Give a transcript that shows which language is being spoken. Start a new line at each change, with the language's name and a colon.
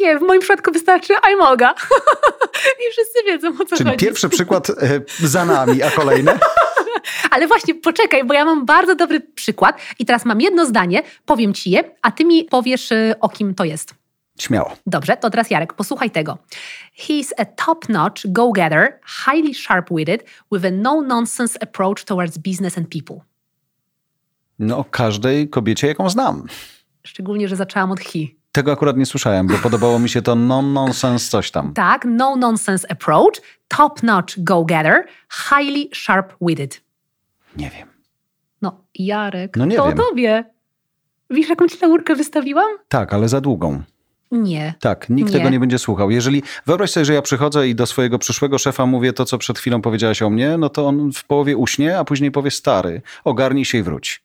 Polish: Nie, w moim przypadku wystarczy
English: I'm Olga.
Polish: I wszyscy wiedzą, o co Czyli chodzi. Czyli pierwszy przykład za nami, a kolejne... Ale właśnie, poczekaj, bo ja mam bardzo dobry przykład i teraz mam jedno zdanie, powiem ci je, a ty mi powiesz, o kim to jest. Śmiało. Dobrze, to teraz Jarek, posłuchaj tego.
English: He's a top-notch go-getter, highly sharp-witted, with a no-nonsense approach towards business and people.
Polish: No, każdej kobiecie, jaką znam. Szczególnie, że zaczęłam od he. Tego akurat nie słyszałem, bo podobało mi się to no-nonsense coś tam. Tak,
English: no-nonsense approach, top-notch go-getter, highly sharp-witted.
Polish: Nie wiem. No, Jarek, no nie to wiem. O tobie. Wiesz, jaką ci laurkę wystawiłam? Tak, ale za długą. Nie. Tak, nikt tego nie będzie słuchał. Jeżeli, wyobraź sobie, że ja przychodzę i do swojego przyszłego szefa mówię to, co przed chwilą powiedziałaś o mnie, no to on w połowie uśnie, a później powie: stary, ogarnij się i wróć.